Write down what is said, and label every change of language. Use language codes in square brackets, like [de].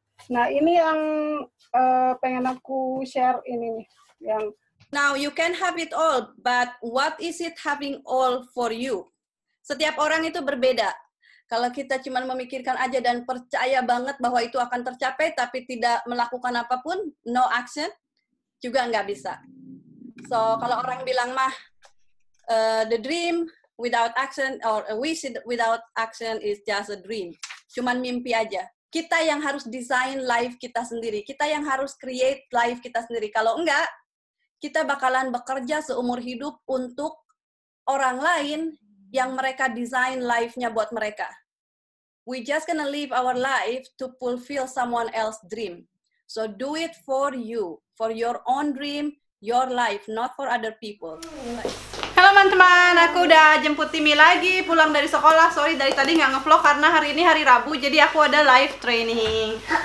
[id] Nah, ini yang pengen aku share ini nih. Yang [en] now you can have it all, but what is it having all for you? [id] Setiap orang itu berbeda. Kalau kita cuma memikirkan aja dan percaya banget bahwa itu akan tercapai, tapi tidak melakukan apapun, no action, juga nggak bisa. [en] So, [id] kalau orang bilang, mah, [en] the dream without action, or a wish without action is just a dream. [id] Cuman mimpi aja. Kita yang harus design life kita sendiri. Kita yang harus create life kita sendiri. Kalau enggak, kita bakalan bekerja seumur hidup untuk orang lain yang mereka design life-nya buat mereka. [en] We just gonna live our life to fulfill someone else's dream. So do it for you, for your own dream, your life, not for other people. [id] Halo teman-teman, aku udah jemput Timmy lagi pulang dari sekolah. Sorry dari tadi nggak nge-vlog karena hari ini hari Rabu, jadi aku ada live training.